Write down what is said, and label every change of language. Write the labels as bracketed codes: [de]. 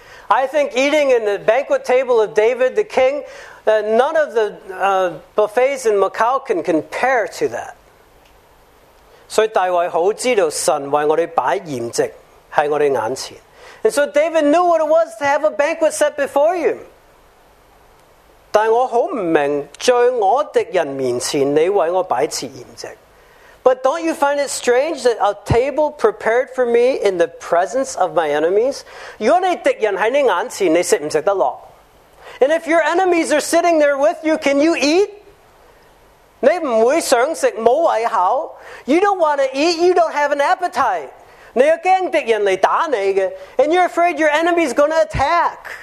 [en] I think eating in the banquet table of David the king, none of the buffets in Macau can compare to that. And so David knew what it was to have a banquet set before you. [zh] 但我很不明白，在我敌人面前，你为我摆设筵席。 [en] But don't you find it strange that a table prepared for me in the presence of my enemies? [zh] 如果你敌人在你眼前，你吃不吃得落？ [en] And if your enemies are sitting there with you, can you eat? [zh] 你不会想吃，没胃口。 [en] You don't want to eat, you don't have an appetite. [zh] 你要怕敌人来打你的， [en] and you're afraid your enemy is going to attack.